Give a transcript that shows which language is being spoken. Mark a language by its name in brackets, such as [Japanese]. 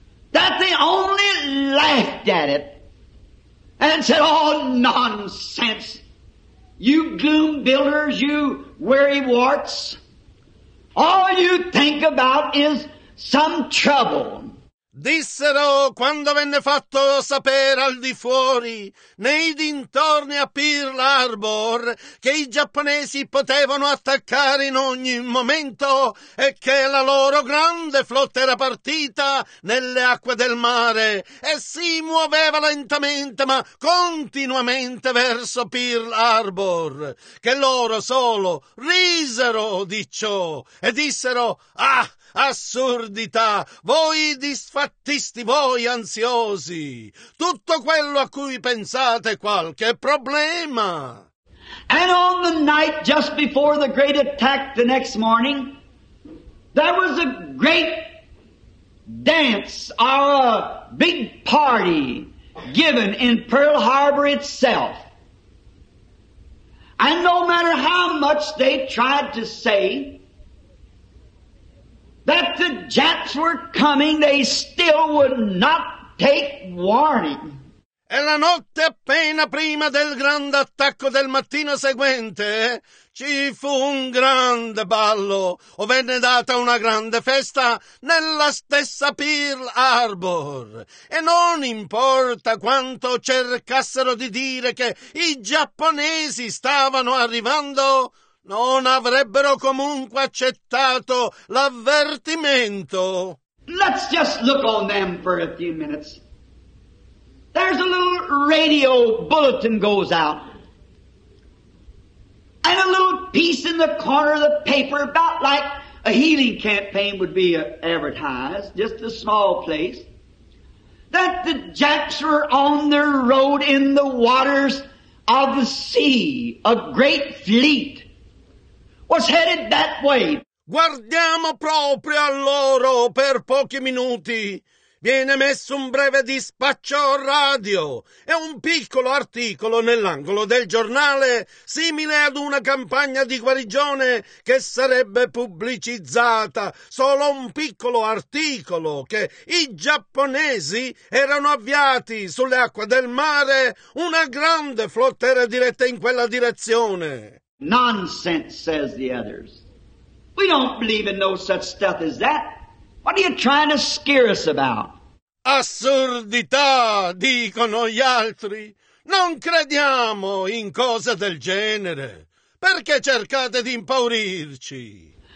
[English] that they only laughed at it and said, "Oh, nonsense, you gloom builders, you weary warts. All you think about is some trouble." [Italian] Dissero quando venne fatto sapere al di fuori, nei dintorni a Pearl Harbor, che i giapponesi potevano attaccare in ogni momento e che la loro grande flotta era partita nelle acque del mare e si muoveva lentamente ma continuamente verso Pearl Harbor, che loro solo risero di ciò e dissero: "Ah, assurdità, voi disfattisti, voi ansiosi, tutto quello a cui pensate qualche problema." [English] And on the night just before the great attack the next morning, there was a great dance, a big party given in Pearl Harbor itself. And no matter how much they tried to say that the Japs were coming, they still would not take warning. [Italian] E la notte appena prima del grande attacco del mattino seguente, ci fu un grande ballo, o venne data una grande festa nella stessa Pearl Harbor. E non importa quanto cercassero di dire che i giapponesi stavano arrivando, non avrebbero comunque accettato l'avvertimento. [English] Let's just look on them for a few minutes. There's a little radio bulletin goes out. And a little piece in the corner of the paper, about like a healing campaign would be advertised, just a small place, that the Japs were on their road in the waters of the sea, a great fleet was headed that way. [Italian] Guardiamo proprio a loro per pochi minuti. Viene messo un breve dispaccio radio e un piccolo articolo nell'angolo del giornale, simile ad una campagna di guarigione che sarebbe pubblicizzata. Solo un piccolo articolo che i giapponesi erano avviati sulle acque del mare, una grande flotta era diretta in quella direzione. [English] "Nonsense," says the others. "We don't believe in no such stuff as that. What are you trying to scare us about?" [Italian] "Assurdità," dicono gli altri. "Non crediamo in cose del genere. Perché cercate di impaurirci?"